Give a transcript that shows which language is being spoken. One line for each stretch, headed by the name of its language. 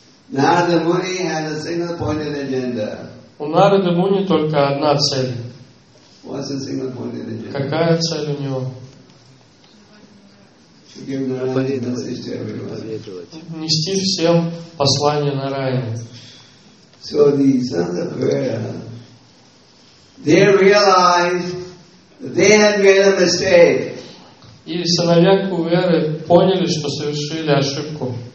English: Narada Muni had a single-pointed agenda.
Russian: У Нарада Муни только одна цель.
English: What's the single-pointed agenda?
Russian: Какая цель у него?
English: To give Narayana a message to everyone.
Russian: Нести всем послание Нараяне.
English: So the sons of Kuvera, they realized that they had made a mistake.
Russian: И сыновья Куверы поняли, что совершили ошибку.